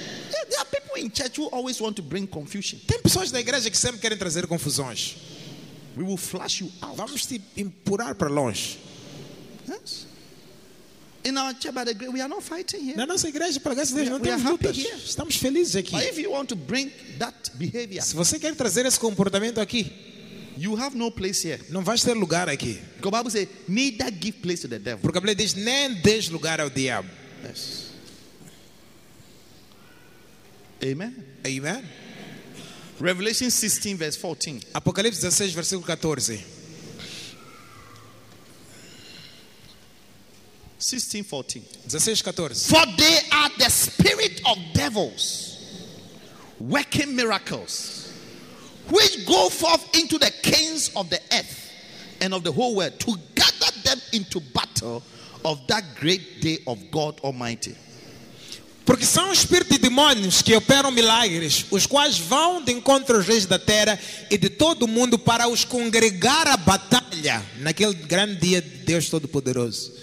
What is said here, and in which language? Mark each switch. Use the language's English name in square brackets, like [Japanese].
[English] There are people in church who always want to bring confusion. [Portuguese] Tem pessoas na igreja que sempre querem trazer confusões. [English] We will flush you out. [Portuguese] Vamos te empurrar para longe. [English] Yes. In our church, by the grace, we are not fighting here. [Portuguese] Na nossa igreja, pela graça de Deus, [English] we [Portuguese] não temos lutas. [English] Happy here. [Portuguese] Estamos felizes aqui. [English] But if you want to bring that behavior, [Portuguese] se você quer trazer esse comportamento aqui, [English] you have no place here. [Portuguese] Não vais ter lugar aqui. Porque a Bíblia diz, [English] neither give place to the devil. [Portuguese] Porque a Bíblia diz, nem deixe lugar ao diabo. [English] Yes. Amen. Amen. Revelation 16, verse 14. [Portuguese] Apocalipse 16, versículo 14. [English] 16, 14. [Portuguese] 16, 14. [English] For they are the spirit of devils, working miracles, which go forth into the kings of the earth and of the whole world to gather them into battle of that great day of God Almighty. [Portuguese] Porque são espíritos e demônios que operam milagres, os quais vão de encontro aos reis da terra e de todo o mundo para os congregar à batalha naquele grande dia de Deus Todo-Poderoso.